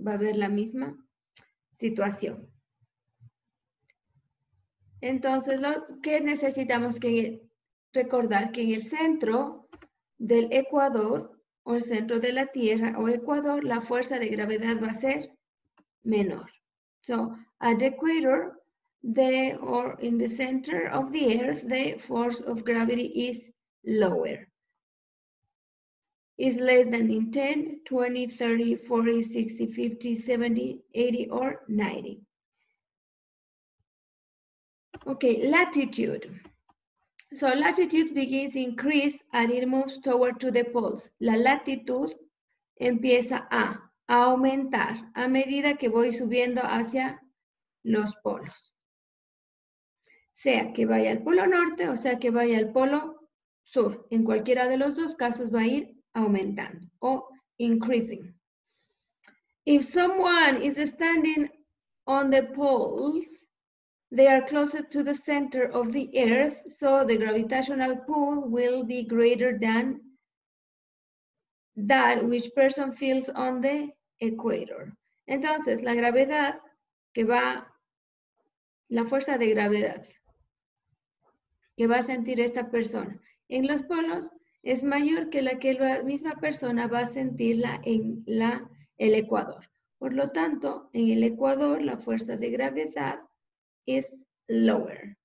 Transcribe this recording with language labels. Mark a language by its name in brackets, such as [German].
[Spanish] Va a haber la misma situación. Entonces, ¿qué necesitamos? Recordar que en el centro del Ecuador o el centro de la Tierra o Ecuador, la fuerza de gravedad va a ser menor. [English] So, at the equator, or in the center of the Earth, the force of gravity is lower. Is less than in 10, 20, 30, 40, 60, 50, 70, 80, or 90. Okay, latitude. So latitude begins increase as it moves toward to the poles. [Spanish] La latitud empieza a aumentar a medida que voy subiendo hacia los polos. Sea que vaya al polo norte o sea que vaya al polo sur. En cualquiera de los dos casos va a ir aumentando o increasing. [English] If someone is standing on the poles, they are closer to the center of the Earth, so the gravitational pull will be greater than that which person feels on the equator. [Spanish] Entonces, la gravedad que va, la fuerza de gravedad que va a sentir esta persona en los polos es mayor que la que la misma persona va a sentirla en el Ecuador. Por lo tanto, en el Ecuador, la fuerza de gravedad [English] is lower.